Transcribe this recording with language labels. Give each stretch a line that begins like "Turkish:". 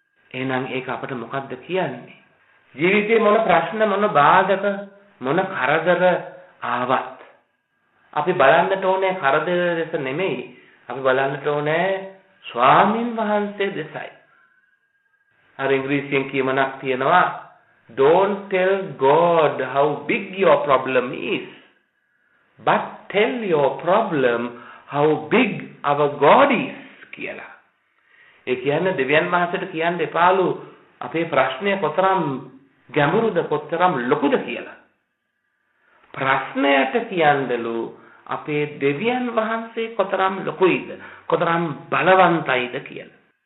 Sinhala: එහෙනම් ඒක අපට මොකද්ද කියන්නේ? ජීවිතේ මොන ප්‍රශ්න මොන බාධක මොන කරදර ආවත් අපි බලන්නට ඕනේ කරදර දෙස නෙමෙයි, අපි බලන්නට ඕනේ ස්වාමින් වහන්සේ දෙසයි. අර ඉංග්‍රීසියෙන් කියමනක් තියෙනවා,
English: Don't tell God how big your problem is, but tell your problem how big our God is
Sinhala: කියලා. ඒ කියන්නේ දෙවියන් වහන්සේට කියන්න එපාලු අපේ ප්‍රශ්නය කොතරම් ගැඹුරුද කොතරම් ලොකුද කියලා. ප්‍රශ්නයට කියන්දලු අපේ දෙවියන් වහන්සේ කොතරම් ලොකුයිද කොතරම් බලවන්තයිද කියලා.